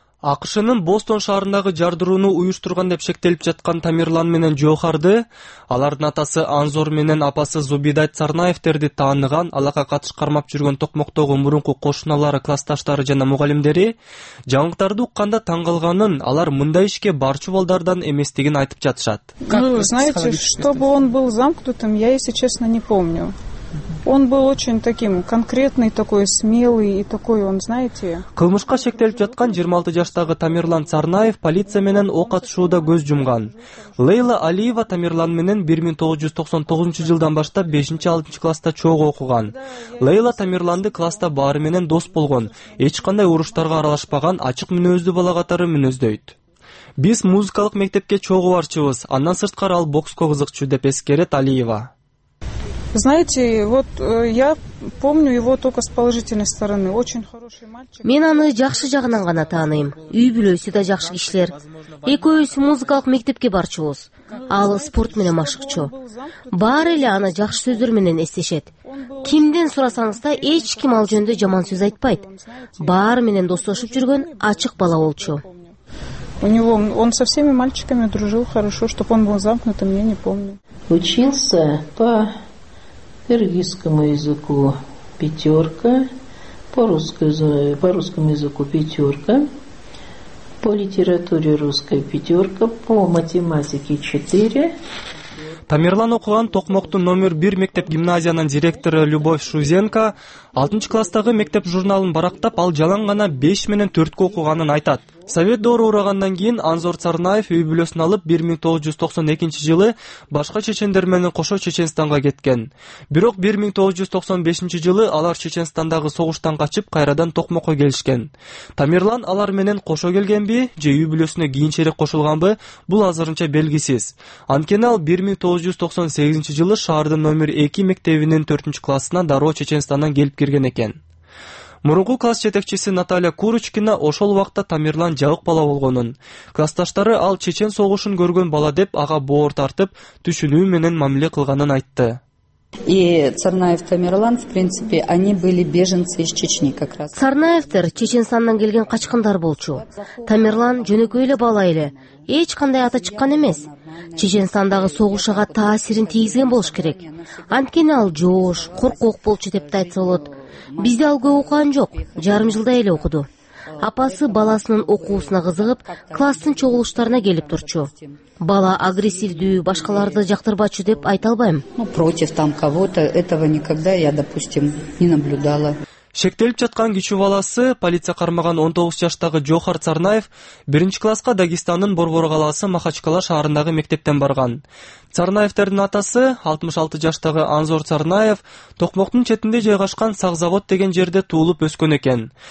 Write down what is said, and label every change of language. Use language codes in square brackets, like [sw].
[ky] АКШнын Бостон шаарындагы жардырууну уюштурган деп шектелип жаткан Тамирлан менен Жохарды, алардын атасы Анзор менен апасы Зубида Царнаевтерди тааныган, алага катыш кармап жүргөн Токмоктогу мурунку кошуналары, классташтары жана мугалимдери жаңылыктарды укканда таң калганын, алар мындай ишке барчу балдардан эместигин айтып жатышат. [ru] Вы знаете, чтобы он был замкнутым, я, если честно, не помню. Он был очень таким конкретный, такой смелый и такой, он, знаете... [ky] Кылмышка шектелип жаткан 26 жаштагы Тамирлан Царнаев полиция менен ок атышууда көз жумган. Лейла Алиева Тамирлан менен 1999-жылдан баштап 5-6 класста чогуу окуган. Лейла Тамирланды класста баары менен дос болгон, эч кандай уруштарга аралашпаган ачык мүнөздүү бала катары мүнөздөйт. Биз музыкалык мектепке чогуу барчубуз, андан сырткары ал бокско кызыкчу деп эскерет Алиева. [ru] Знаете, вот я помню его только с положительной стороны. Очень хороший мальчик. [ky] Мен аны жакшы жагынан гана тааныйм. Үй бүлөсү да жакшы кишилер. Экөөбүз музыкалык мектепке барчубуз. Ал спорт менен машыкчу. Баары эле аны жакшы сөздөр менен эстешет. Кимден сурасаңыз да эч ким ал жөнүндө жаман сөз айтпайт. Баары менен достошуп жүргөн ачык бала болчу. [ru] У него он со всеми мальчиками дружил хорошо, чтоб он был замкнутым, я не помню. Учился по киргизскому языку 5, по русскому языку 5, по литературе русской 5, по математике 4. [ky] Тамирлан окуган Токмоктун номер 1 мектеп гимназиянын директору Любовь Шузенко 6 класстагы мектеп журналын барактап, ал жалаң гана 5 менен 4 окуганын айтат. Совет доору урагандан кийин Анзор Царнаев үй бүлөсүн алып 1992-жылы башка чечендер менен кошо Чеченстанга кеткен. Бирок 1995-жылы алар Чеченстандагы согуштан качып кайрадан Токмокко келишкен. Тамирлан алар менен кошо келгенби же үй бүлөсүнө кийинчерээк кошулганбы, бул азырынча белгисиз. Анткени ал 1998-жылы шаардын номер 2 мектебинин 4 классына дароо Чечестандан келип кирген экен. Мурунку класс жетекчиси Наталья Курочкина ошол убакта Тамирлан жабык бала болгонун, классташтары ал чечен согушун көргөн бала деп ага боор тартып, түшүнүү менен мамиле кылганын айтты. [ru] И Царнаев Тамирлан, в принципе, они были беженцы из Чечни как раз. [ky] Царнаевтер Чечен-сандан келген качкындар болчу. Тамирлан жөнөкөй эле бала эле, эч кандай аты чыккан эмес. Чечен-сандагы согушага таасирин тийгизген болуш керек. Анткени ал жоош, коркок болчу деп да айтса болот. Бизде ал көп окуган жок, жарым жылдай эле окуду. апасы баласынын окуусуна кызыгып, класстын чогулуштарына келип турчу. Бала агрессивдүү, башкаларды жактырбачу деп айта албайм. [ru] Против там кого-то этого никогда я, допустим, не наблюдала. [ky] Шектелип жаткан кичүү баласы, полиция кармаган 19 жаштагы Жохар Царнаев, 1-чи класска Дагестандын Борбор калаасы Махачкала шаарындагы мектептен барган. Царнаевтердин атасы, 66 жаштагы Анзор Царнаев, Токмоктун четинде жайгашкан Сагзавод деген жерде туулуп өскөн экен.